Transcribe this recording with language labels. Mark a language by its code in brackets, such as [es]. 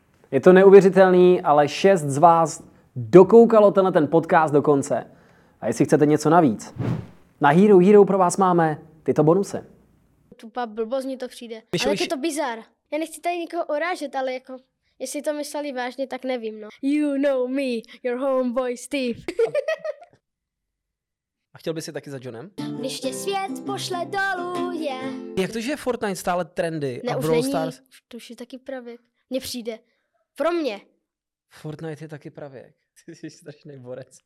[cs] Je to neuvěřitelný, ale 6 z vás dokoukalo tenhle ten podcast do konce. A jestli chcete něco navíc, na Hero Hero pro vás máme tyto bonusy. Tupá blbost, mi to přijde. Ale je to bizar. Já nechci tady nikoho urážet, ale jako, jestli to mysleli vážně, tak nevím, no. [en] You know me, your homeboy Steve. [cs] A chtěl bys je taky za Johnem? Když tě svět pošle dolů, yeah. Jak to, že je Fortnite stále trendy ne, a Brawl Stars? Ne, už je taky pravěk. Mně přijde. Pro mě. Fortnite je taky pravěk. Ty jsi strašný borec.